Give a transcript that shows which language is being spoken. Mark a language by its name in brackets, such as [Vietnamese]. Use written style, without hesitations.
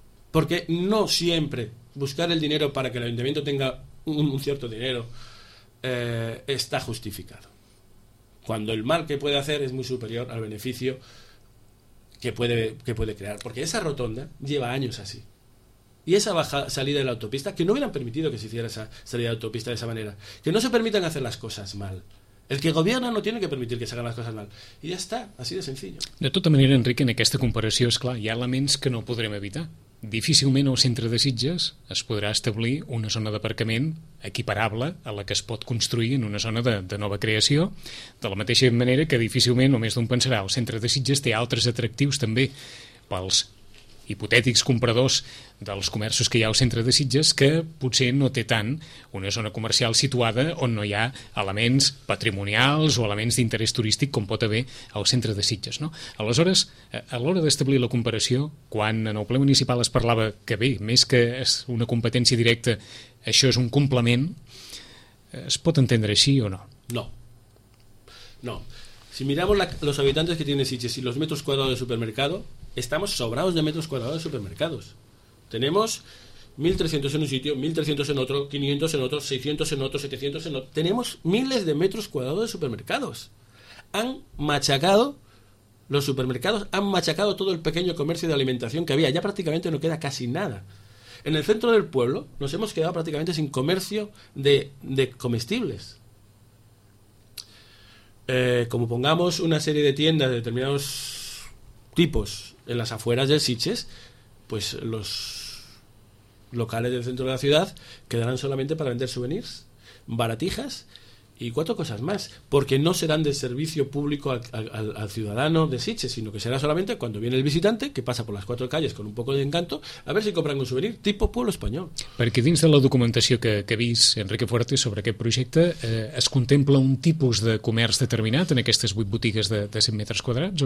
[Spanish] Porque no siempre buscar el dinero para que el ayuntamiento tenga un cierto dinero está justificado, cuando el mal que puede hacer es muy superior al beneficio que puede crear. Porque esa rotonda lleva años así, y esa baja salida de la autopista, que no hubieran permitido que se hiciera esa salida de autopista de esa manera, que no se permitan hacer las cosas mal. El que gobierna no tiene que permitir que se hagan las cosas mal, y ya está, así de sencillo. [Catalan] De tota manera, Enric, en aquesta comparació, és clar, hi ha elements que no podrem evitar. Difícilment al centre de Sitges es podrà establir una zona d'aparcament equiparable a la que es pot construir en una zona de nova creació, de la mateixa manera que difícilment només d'un pensarà. El centre de Sitges té altres atractius també pels hipotètics compradors dels comerços que hi ha al centre de Sitges, que potser no té tant una zona comercial situada on no hi ha elements patrimonials o elements d'interès turístic com pot haver al centre de Sitges. No? Aleshores, a l'hora d'establir la comparació, quan en el ple municipal es parlava que bé, més que és una competència directa, això és un complement, es pot entendre així o no? [Spanish] No. No. Si miramos los habitantes que tiene Sitges y los metros cuadrados de supermercado, estamos sobrados de metros cuadrados de supermercados. Tenemos 1.300 en un sitio, 1.300 en otro, 500 en otro, 600 en otro, 700 en otro. Tenemos miles de metros cuadrados de supermercados. Han machacado los supermercados, han machacado todo el pequeño comercio de alimentación que había. Ya prácticamente no queda casi nada. En el centro del pueblo nos hemos quedado prácticamente sin comercio de comestibles. Como pongamos una serie de tiendas de determinados tipos en las afueras del Sitges, pues los locales del centro de la ciudad quedarán solamente para vender souvenirs, baratijas y cuatro cosas más, porque no serán de servicio público al ciudadano de Sitges, sino que será solamente cuando viene el visitante, que pasa por las cuatro calles con un poco de encanto, a ver si compran un souvenir tipo pueblo español. [Catalan] Perquè dins de la documentació que ha vist Enrique Fuerte sobre aquest projecte, es contempla un tipus de comerç determinat en aquestes 8 botigues de 100 metres quadrats?